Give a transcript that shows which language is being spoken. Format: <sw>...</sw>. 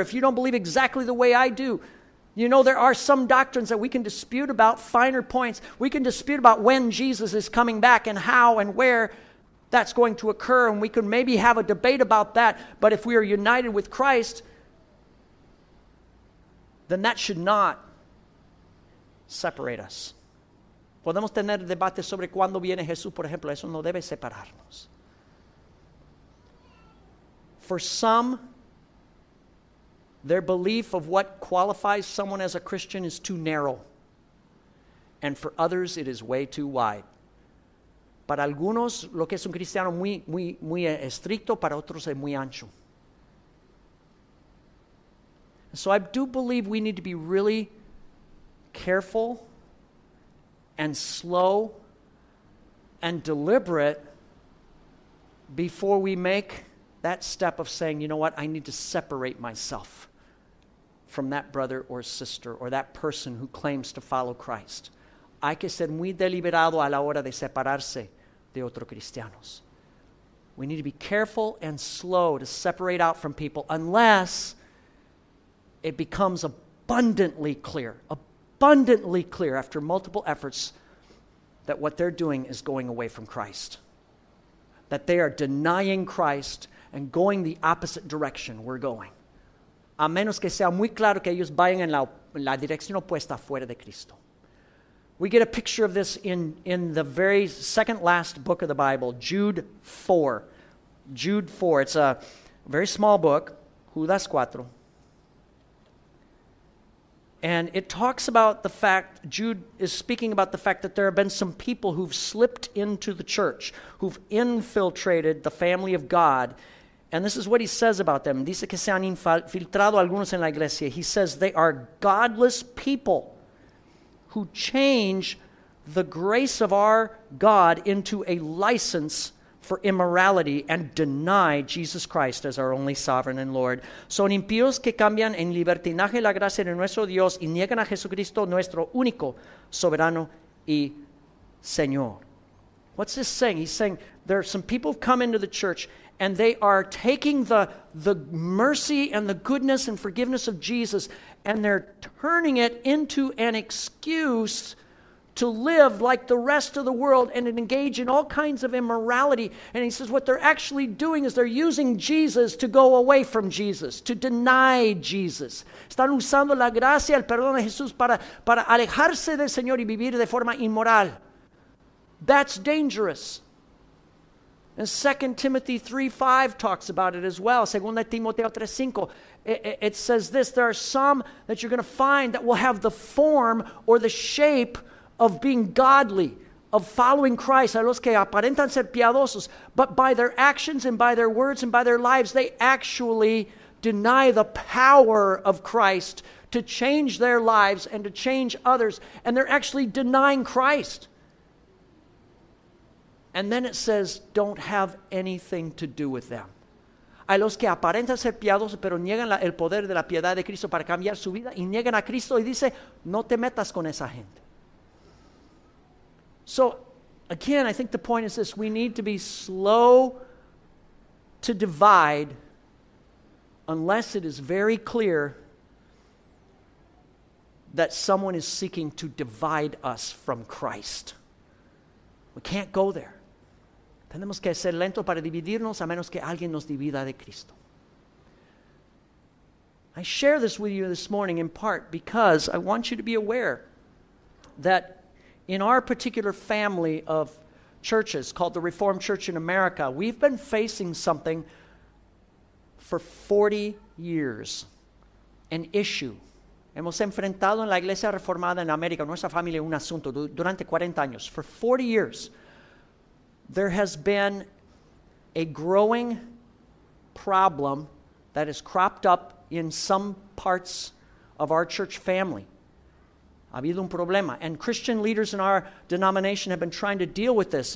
<en>If you don't believe exactly the way I do, you know, there are some doctrines that we can dispute about, finer points. We can dispute about when Jesus is coming back and how and where that's going to occur. And we could maybe have a debate about that. But if we are united with Christ, then that should not separate us.</en> <es>Podemos tener debates sobre cuándo viene Jesús, por ejemplo. Eso no debe separarnos.</es> <en>For some, their belief of what qualifies someone as a Christian is too narrow. And for others, it is way too wide.</en> <es>Para algunos, lo que es un cristiano muy estricto, para otros es muy ancho.</es> <en>So I do believe we need to be really careful and slow and deliberate before we make that step of saying, you know what, I need to separate myself from that brother or sister or that person who claims to follow Christ.</en> <es>Hay que ser muy deliberado a la hora de separarse de otros cristianos.</es> <en>We need to be careful and slow to separate out from people unless it becomes abundantly clear after multiple efforts that what they're doing is going away from Christ. That they are denying Christ and going the opposite direction we're going.</en> <es>A menos que sea muy claro que ellos vayan en la dirección opuesta fuera de Cristo.</es> <en>We get a picture of this in the very second last book of the Bible, Jude 4. Jude 4, it's a very small book, Judas 4. And it talks about the fact, Jude is speaking about the fact that there have been some people who've slipped into the church, who've infiltrated the family of God, And this is what he says about them.</en> <es>Dice que se han infiltrado algunos en la iglesia.</es> <en>He says they are godless people who change the grace of our God into a license for immorality and deny Jesus Christ as our only sovereign and Lord.</en> <es>Son impíos que cambian en libertinaje la gracia de nuestro Dios y niegan a Jesucristo nuestro único soberano y Señor.</es> <en>What's this saying? He's saying there are some people who've come into the church and they are taking the mercy and the goodness and forgiveness of Jesus and they're turning it into an excuse to live like the rest of the world and engage in all kinds of immorality. And he says what they're actually doing is they're using Jesus to go away from Jesus, to deny Jesus.</en> <es>Están usando la gracia, el perdón de Jesús para alejarse del Señor y vivir de forma inmoral.</es> <en>That's dangerous. And 2 Timothy 3:5 talks about it as well.</en> <es>2 Timoteo 3:5,</es> <en>it says this, there are some that you're going to find that will have the form or the shape of being godly, of following Christ,</en> <es>a los que aparentan ser piadosos,</es> <en>but by their actions and by their words and by their lives, they actually deny the power of Christ to change their lives and to change others, and they're actually denying Christ. And then it says, don't have anything to do with them.</en> <es>A los que aparentan ser piadosos, pero niegan el poder de la piedad de Cristo para cambiar su vida, y niegan a Cristo, y dice, no te metas con esa gente.</es> <en>So, again, I think the point is this. We need to be slow to divide unless it is very clear that someone is seeking to divide us from Christ. We can't go there.</en> <es>Tenemos que ser lentos para dividirnos a menos que alguien nos divida de Cristo.</es> <en>I share this with you this morning in part because I want you to be aware that in our particular family of churches called the Reformed Church in America, we've been facing something for 40 years, an issue.</en> <es>Hemos enfrentado en la Iglesia Reformada en América, nuestra familia, un asunto durante 40 años.</es> <en>For 40 years, there has been a growing problem that has cropped up in some parts of our church family.</en> <es>Ha habido un problema.</es> <en>And Christian leaders in our denomination have been trying to deal with this.</en>